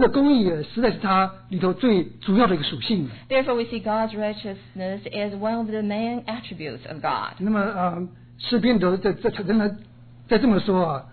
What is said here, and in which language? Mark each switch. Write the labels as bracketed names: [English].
[Chinese] 所以我们呢看见了那个神的公义实在是他里头最主要的一个属性。 [English] Therefore, we see God's righteousness is one of the main attributes of God. [Chinese] 那么, 诗篇都在这么说啊,